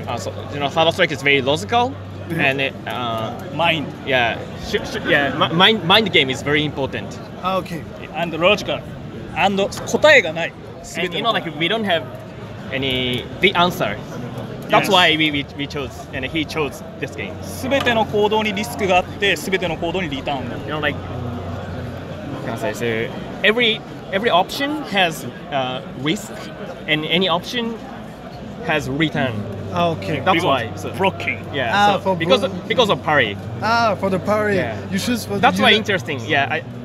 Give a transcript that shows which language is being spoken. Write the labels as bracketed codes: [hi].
[en] So, you know, Final Strike is very logical, and it, mind. Mind game is very important. Okay. And logical. And [ja] 答えがない。 [en] And you know, like, we don't have any the answer. That's why we chose and he chose this game. [ja] 全ての行動にリスクがあって、全ての行動にリターンがある。 [en] You know, like, can I say, so every option has risk and any option has return. Okay. That's why. Blocking. Because of parry. Ah, for the parry. Yeah. You choose for That's why interesting. Yeah.